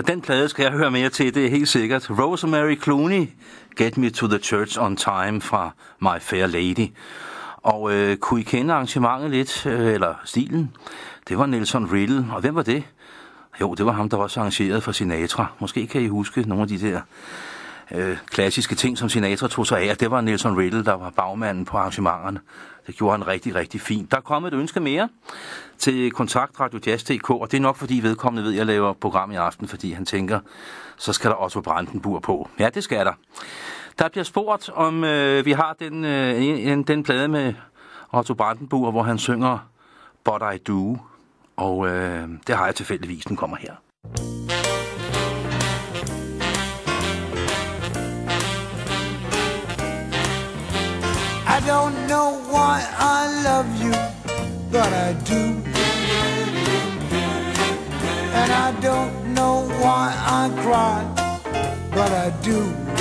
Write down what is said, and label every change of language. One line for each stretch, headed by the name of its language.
Danish: Den plade skal jeg høre mere til, det er helt sikkert. Rosemary Clooney, Get Me to the Church on Time fra My Fair Lady. Og kunne I kende arrangementet lidt, eller stilen? Det var Nelson Riddle, og hvem var det? Jo, det var ham, der også arrangerede for Sinatra. Måske kan I huske nogle af de der klassiske ting, som Sinatra tog sig af. Det var Nelson Riddle, der var bagmanden på arrangementerne. Det gjorde han rigtig, rigtig fint. Der er kommet et ønske mere til kontaktradiojazz.dk, og det er nok, fordi vedkommende ved, at jeg laver program i aften, fordi han tænker, så skal der også Brandenburg på. Ja, det skal der. Der bliver spurgt, om vi har den plade med Otto Brandenburg, hvor han synger But I Do, og det har jeg tilfældigvis, den kommer her.
English: I don't know why I love you, but I do. And I don't know why I cry, but I do.